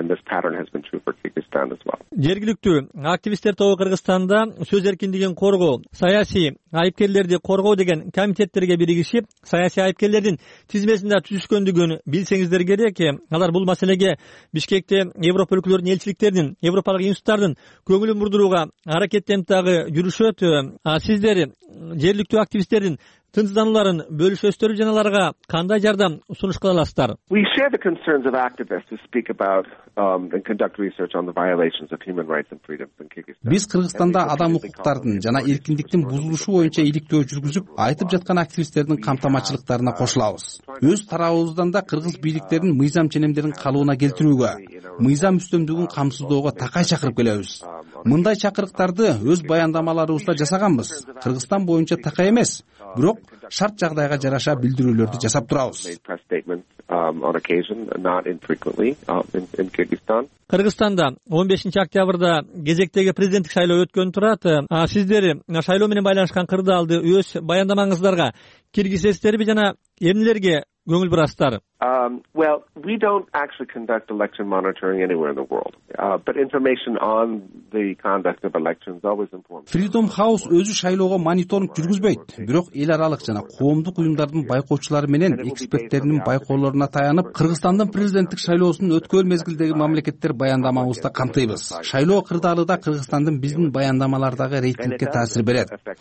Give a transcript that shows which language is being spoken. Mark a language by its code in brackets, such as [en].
[ky] Жергиликтүү активисттер тобу Кыргызстанда сөз эркиндигин коргоо, саясий айыпкерлерди коргоо деген комитеттерге биригишип, саясий айыпкерлердин тизмесинде түзүшкөндүгүн билсеңиздер керек. Алар бул маселеге Бишкекте Европа өлкөлөрүнүн элчиликтеринин, Европалык институттардын көңүлүн бурдурууга аракеттенип дагы жүрүшөт. А сиздер жергиликтүү активисттердин тынчсызданууларын бөлүшөсүздөрү жана аларга кандай жардам сунуш кыла аласыздар? [en] We share the concerns of activists who speak about and conduct research on the violations of human rights and freedoms in Kyrgyzstan. [ky] Биз Кыргызстанда адам укуктарын жана эркиндиктин бузулушу боюнча иликтөө жүргүзүп, айтып жаткан активисттердин камтамачылыктарына кошулабыз. Өз тарабыбыздан да кыргыз бийликтеринин мыйзам ченемдерин калыбына келтирүүгө, мыйзам үстөмдүгүн камсыздоого такай чакырып келебиз. Мындай чакырыктарды өз баяндамаларыбызда жасаганбыз. Кыргызстан боюнча такай эмес, бирок шарт жагдайга жараша билдирүүлөрдү жасап турабыз. [en] On occasion, not infrequently, in Kyrgyzstan. [ky] Кыргызстанда 15 октябрда кезектеги президенттик шайлоо өткөн турат. А сиздер шайлоо менен байланышкан кырдаалды өз баяндамаңыздарга киргизесиздерби жана эмнелерге көңүл бурасыздар? [en] Well, we don't actually conduct election monitoring anywhere in the world. But information on the conduct of elections always informs. [ky] Freedom House өзү шайлоого мониторинг жүргүзбөйт, бирок эл аралык жана коомдук уюмдардын байкоочулары менен эксперттеринин байкоолоруна таянып, Кыргызстандын президенттик шайлоосун өткөн мезгилдеги мамлекеттер баяндамабызда камтыйбыз. Шайлоо кырдаалыда Кыргызстандын биздин баяндамалардагы рейтингке таасир берет.